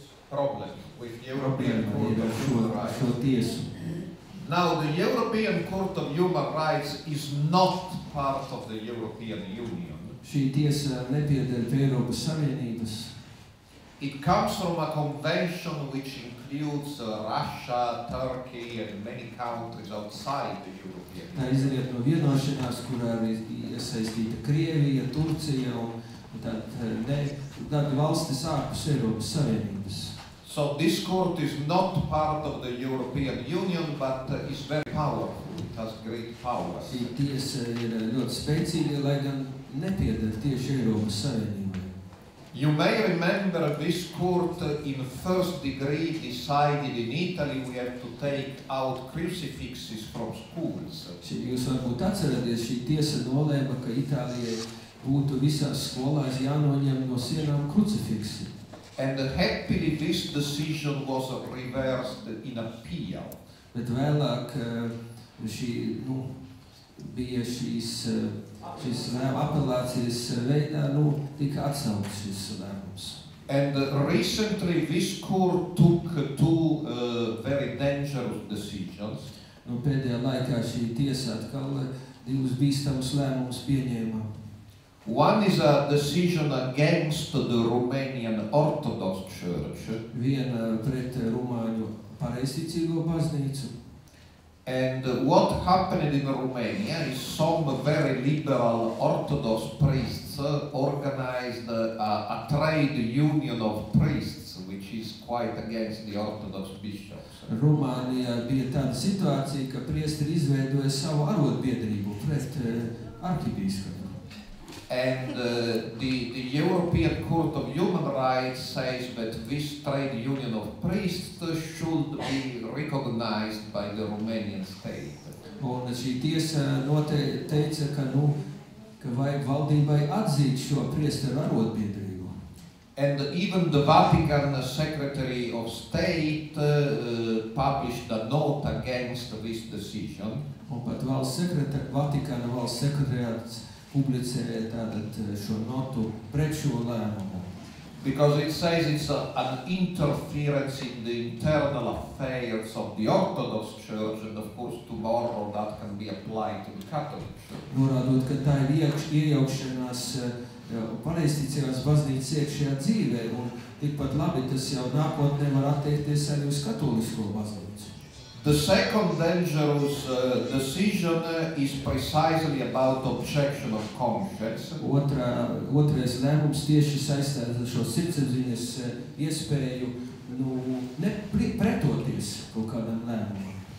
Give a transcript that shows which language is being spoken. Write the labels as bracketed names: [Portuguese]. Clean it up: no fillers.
[English] Problem with European Court of Human Rights. Now the European Court of Human Rights is not part of the European Union. [Latvian] Šī tiesa nepieder pie Eiropas Savienības. [English] It comes from a convention which includes Russia, Turkey and many countries outside the European Union. [Latvian] Tā izriet no vienošanās, kurā ir iesaistīta Krievija, Turcija un tad valstis ārpus Eiropas Savienības. [English] So this court is not part of the European Union, but is very powerful. It has great power. [Latvian] Šī tiesa ir ļoti spēcīga, lai gan nepieder tieši Eiropas Savienībai. [English] You may remember this court in first degree decided in Italy we have to take out crucifixes from schools. [Latvian] Šī jūs varbūt atcerēties, šī tiesa nolēma, ka Itālijai būtu visās skolās jānoņem no sienām krucifiksi. [English] And happily this decision was reversed in appeal. [Latvian] Bet vēlāk šī, nu, bija šīs šis apelācijas veidā, nu, tika atsaukts šis lēmums. [English] And recently this court took two very dangerous decisions. [Latvian] Nu, pēdējā laikā šī tiesa atkal divus bīstamus lēmumus pieņēma. [English] One is a decision against the Romanian Orthodox Church. [Latvian] Viena pret Rumāņu pareizticīgo baznīcu. [English] And what happened in Romania is some very liberal Orthodox priests organized a trade union of priests, which is quite against the Orthodox bishops. [Latvian] Rumānijā bija tāda situācija, ka priesteri izveidoja savu arotbiedrību pret arhibīskapu. [English] And the European Court of Human Rights says that this trade union of priests should be recognized by the Romanian state. [Latvian] Un šī tiesa teica, ka, nu, ka vajag valdībai atzīt šo priesteru arotbiedrību. [English] And even the Vatican Secretary of State published a note against this decision. [Latvian] Un pat valsts sekretar, Vatikāna valsts sekretariāts publicēja tātad šo notu pret šo lēmumu. [English] Because it says it's an interference in the internal affairs of the Orthodox Church, and of course tomorrow that can be applied to the Catholic Church. [Latvian] Norādot, ka tā ir iejaukšanās pareizticīgās baznīcas iekšējā dzīvē, un tikpat labi tas jau nākotnē var attiekties arī uz katolisko baznīcu. [English] The second dangerous decision is precisely about objection of conscience. [Latvian] Otrais lēmums tieši saistās ar šo sirdsapziņas iespēju, nu, nepretoties kaut kādam lēmumam.